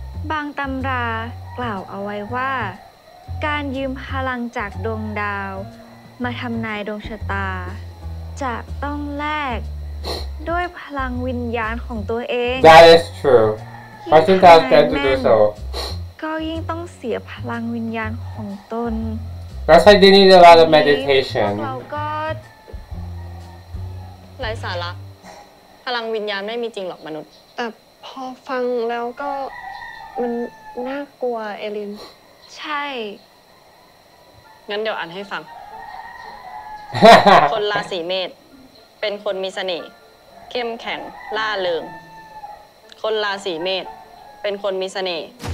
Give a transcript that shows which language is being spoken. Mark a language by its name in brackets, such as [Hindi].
[Thai] บางตำรากล่าวเอาไว้ว่าการยืมพลังจากดวงดาวมาทำนายดวงชะตาจะต้องแลกด้วยพลังวิญญาณของตัวเอง [English] That is true But you can't get to do so [Thai] ก็ยิ่งต้องเสียพลังวิญญาณของตน [English] That's why they need a lot of meditation [Thai] เราก็ ไร้สาระพลังวิญญาณไม่มีจริงหรอกมนุษย์แต่พอฟังแล้วก็มันน่ากลัวเอลิน ใช่งั้นเดี๋ยวอ่านให้ฟัง คนราศีเมษเป็นคนมีเสน่ห์เข้มแข็งล่าเริงคนราศีเมษเป็นคนมีเสน่ห์